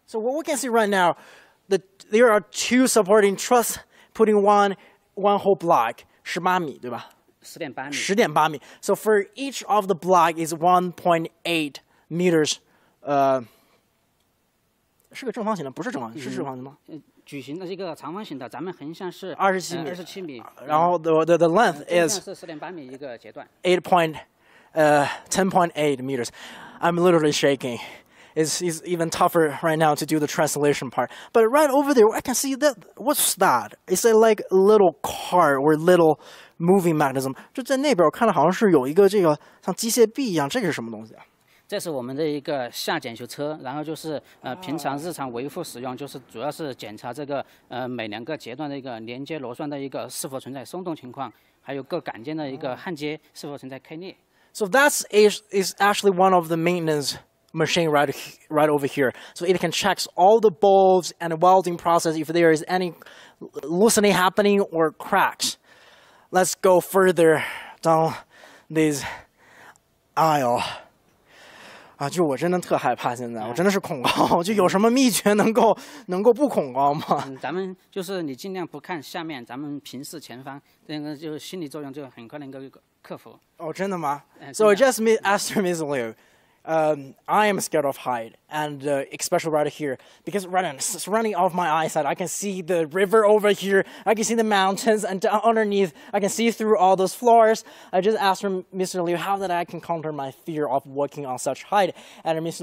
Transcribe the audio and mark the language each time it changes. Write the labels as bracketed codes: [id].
[en] So what we can see right now, there are two supporting truss putting one whole block, [zh] 18米，对吧？ 10.8米。 [en] So for each of the block is 1.8 meters, [zh] 是个正方形的，不是正方形，是正方形吗？矩形的一个长方形的，咱们横向是 27米， 27米，然后 [en] the length is [zh] 10.8米一个阶段 [en] 10.8 meters. I'm literally shaking. It's even tougher right now to do the translation part. But right over there, I can see that. What's that? It's a like little car or little moving mechanism. [zh] 就在那边，我看了好像是有一个这个像机械臂一样，这个是什么东西啊？这是我们的一个下检修车，然后就是平常日常维护使用，就是主要是检查这个每两个阶段的一个连接螺栓的一个是否存在松动情况，还有各杆件的一个焊接是否存在开裂。 [en] So that's is actually one of the maintenance machine right over here. So it can check all the bolts and welding process if there is any loosening happening or cracks. Let's go further down this aisle. [zh] 啊，就我真的特害怕，现在我真的是恐高，就有什么秘诀能够不恐高吗？咱们就是你尽量不看下面，咱们平视前方，那个就心理作用就很快能够克服。哦，真的吗？ [en] So just asked Miss Liu, I am scared of height, and especially right here, because right now, it's running off my eyesight. I can see the river over here, I can see the mountains, and underneath, I can see through all those floors. I just asked from Mr. Liu how that I can conquer my fear of walking on such height, and Mr.